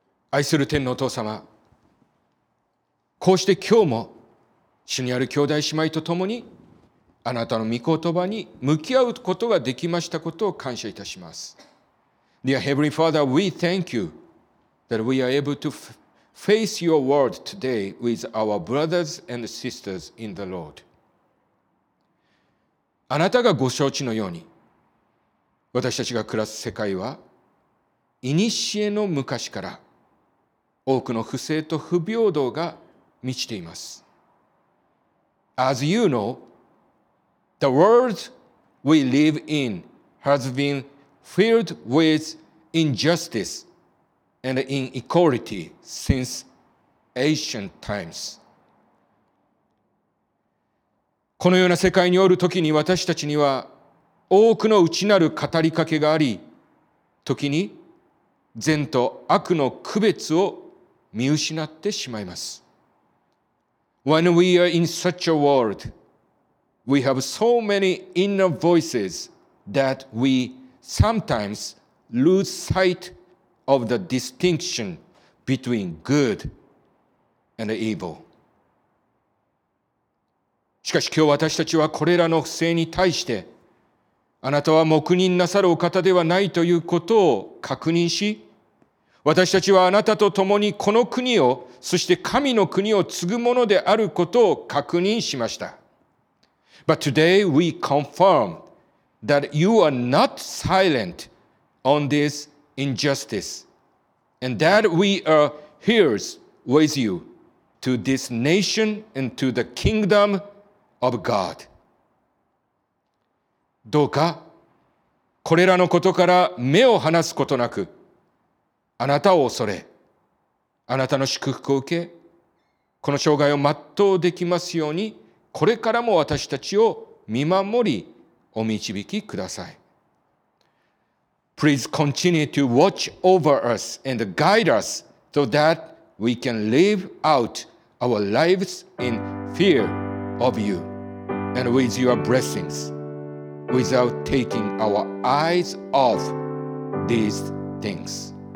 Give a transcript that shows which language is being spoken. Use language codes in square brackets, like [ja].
[ja] 愛する天のお父様、こうして今日も主にある兄弟姉妹と共にあなたの御言葉に向き合うことができましたことを感謝いたします。 [en] Dear Heavenly Father, we thank you that we are able to face your word today with our brothers and sisters in the Lord. [ja] あなたがご承知のように、私たちが暮らす世界はいにしえの昔から多くの不正と不平等が満ちています。 [en] As you know, the world we live in has been filled with injustice and inequality since ancient times. [ja] このような世界におるときに私たちには多くの内なる語りかけがあり、時に善と悪の区別を見失ってしまいます。 [en] When we are in such a world, we have so many inner voices that we sometimes lose sight of the distinction between good and evil. [ja] しかし今日私たちはこれらの不正に対して、あなたは黙認なさるお方ではないということを確認し、私たちはあなたと共にこの国を、そして神の国を継ぐものであることを確認しました。 [en] But today we confirm that you are not silent on this injustice and that we are heirs with you to this nation and to the kingdomOf God. [ja] どうかこれらのことから目を離すことなく、あなたを恐れ、あなたの祝福を受け、この生涯を全うできますように、これからも私たちを見守りお導きください。 [en] Please continue to watch over us and guide us so that we can live out our lives in fear of youAnd with your blessings, without taking our eyes off these things.